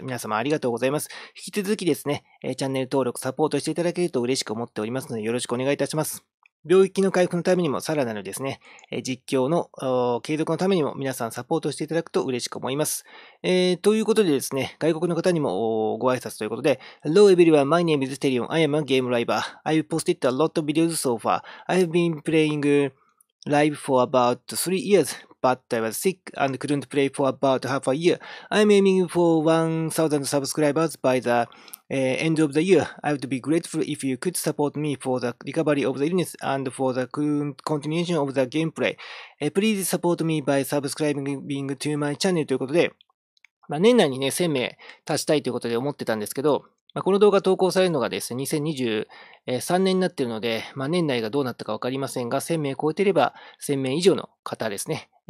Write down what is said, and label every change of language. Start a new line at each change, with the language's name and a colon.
Japanese: 皆様ありがとうございます。引き続きですね、チャンネル登録、サポートしていただけると嬉しく思っておりますので、よろしくお願いいたします。領域の回復のためにも、さらなるですね、実況の継続のためにも、皆さんサポートしていただくと嬉しく思います。ということでですね、外国の方にもご挨拶ということで、
English: Hello everyone, my name is Terion, I am a game writer. I've posted a lot of videos so far. I've been playing live for about 3 years, but I was sick and couldn't play for about half a year. I'm aiming for 1,000 subscribers by theend of the year. I would be grateful if you could support me for the recovery of the illness and for the continuation of the gameplay. Please support me by subscribing to my channel
Japanese: ということで、まあ、年内にね、1000名達したいということで思ってたんですけど、まあ、この動画投稿されるのがですね、2023年になっているので、まあ、年内がどうなったかわかりませんが、1000名超えてれば1000名以上の方ですね。